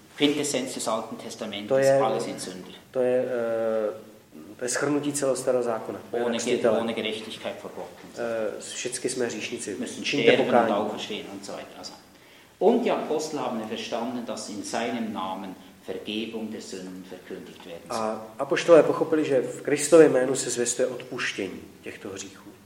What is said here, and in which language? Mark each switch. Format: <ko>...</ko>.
<de>Quintessenz des Alten Testamentes, alle sind Sünder.</de> <cs>To je ve shrnutí celého starého zákona.</cs> <de>Ohne Gerechtigkeit vor Gott.</de> <cs>Všichni jsme hříšníci.</cs> <de>Müssen sterben und auferstehen und so weiter. Und die Apostel haben verstanden, dass in seinem Namen Vergebung der Sünden verkündigt werden soll.</de> <cs>A apoštolé pochopili, že v Kristově jménu se zvěstuje odpuštění těchto hříchů.</cs>